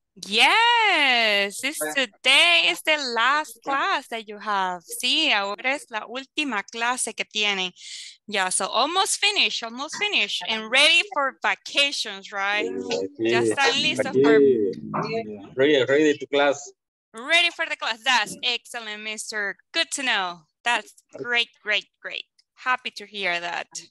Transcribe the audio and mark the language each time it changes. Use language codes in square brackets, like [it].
[en] Yes, this today is the last class that you have. [es] Sí, ahora es la última clase que tiene. [en] Yeah, so almost finished, and ready for vacations, right? [es] Ya están listos para. [en] Ready to class. Ready for the class. That's excellent, mister. Good to know. That's great, great, great. Happy to hear that.